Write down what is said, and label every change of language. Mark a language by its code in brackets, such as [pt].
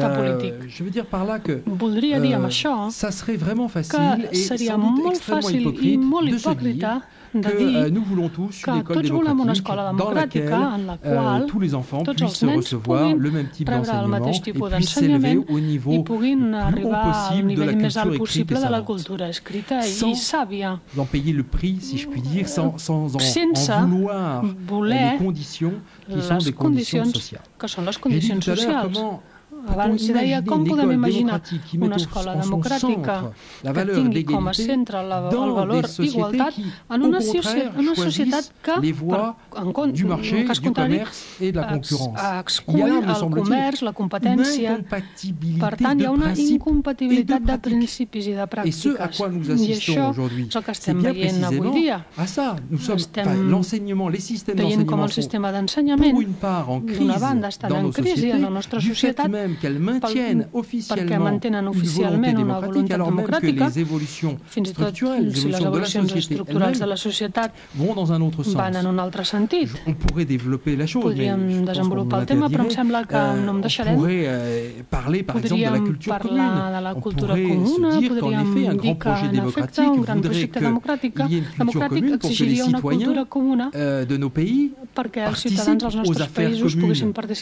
[ca] Evidentment, el problema central em sembla que és una qüestió de voluntat política i fins i tot diria de projecte polític. Voldria dir amb això que seria molt fàcil i molt hipòcrita [fr] que nous voulons tous une école démocratique dans laquelle tous les enfants puissent recevoir le même type d'enseignement et puissent s'élever au niveau plus haut possible de la culture écrite et savante, sans en payer le prix, si je puis dire, sans en vouloir les conditions qui sont des conditions sociales. J'ai dit tout à l'heure comment... [ca] Abans hi deia com podem imaginar una escola democràtica que tingui com a centre el valor d'igualtat en una societat que, en cas contrari, exclou el comerç, la competència. Per tant, hi ha una incompatibilitat de principis i de pràctiques. I això és el que estem veient avui dia. Estem veient com el sistema d'ensenyament d'una banda està en crisi en la nostra societat [fr] qu'elles maintiennent officiellement une volonté démocratique, alors même que les évolutions structurelles, les évolutions de la société, vont dans un autre sens. On pourrait développer la chose, mais je pense qu'on n'a pas dit, mais on pourrait parler, par exemple, de la culture commune. On pourrait se dire qu'en effet, un grand projet démocratique voudrait qu'il y ait une culture commune pour que les citoyens de nos pays participent aux affaires communes.